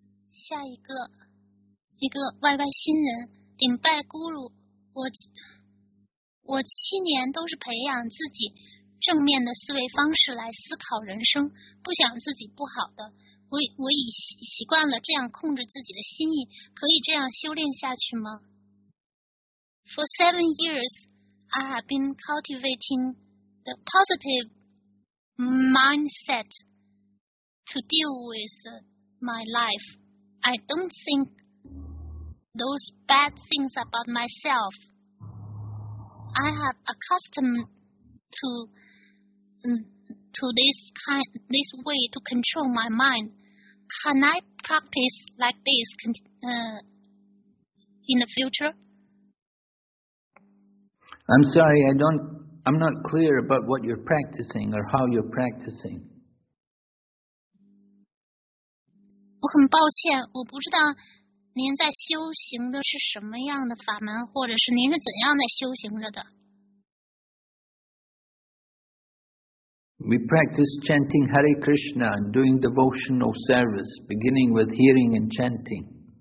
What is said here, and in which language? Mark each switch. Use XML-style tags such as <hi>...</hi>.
<zh>下一个，一个 YY 新人，顶拜 Guru， 我七年都是培养自己正面的思维方式来思考人生，不想自己不好的，我已习惯了这样控制自己的心意，可以这样修炼下去吗？</zh> <en>For 7 years, I have been cultivating. The positive mindset to deal with my life. I don't think those bad things about myself. I have accustomed to this way to control my mind. Can I practice like this in the future? I'm sorry, I'm not clear about what you're practicing or how you're practicing.</en> <zh>我很抱歉，我不知道您在修行的是什么样的法门，或者是您是怎样在修行着的。</zh> <en>We practice chanting Hare Krishna and doing devotional service, beginning with hearing and chanting.</en>